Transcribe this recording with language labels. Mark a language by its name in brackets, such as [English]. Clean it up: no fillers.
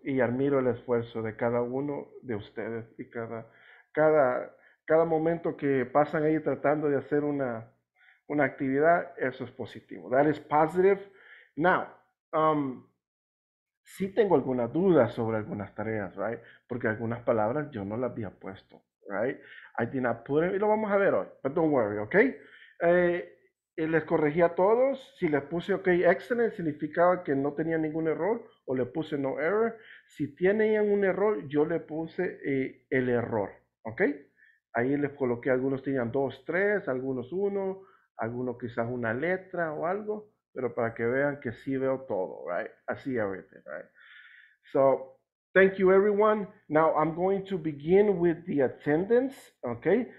[Spanish] Y admiro el esfuerzo de cada uno de ustedes. Y cada momento que pasan ahí tratando de hacer una actividad, eso es positivo. [English] That is positive. [Spanish] Now, sí tengo algunas dudas sobre algunas tareas, right? Porque algunas palabras yo no las había puesto, right? [English] I did not put them, [Spanish] y lo vamos a ver hoy, [English] but don't worry, ok? [Spanish] Les corregí a todos, si les puse ok, excellent, significaba que no tenía ningún error, o le puse no error. Si tenían un error, yo le puse el error, ok? Ahí les coloqué, algunos tenían dos, tres, algunos uno, algunos quizás una letra o algo. Pero para que vean que sí veo todo, right? [English] I see everything, right? So, thank you everyone. Now I'm going to begin with the attendance, okay?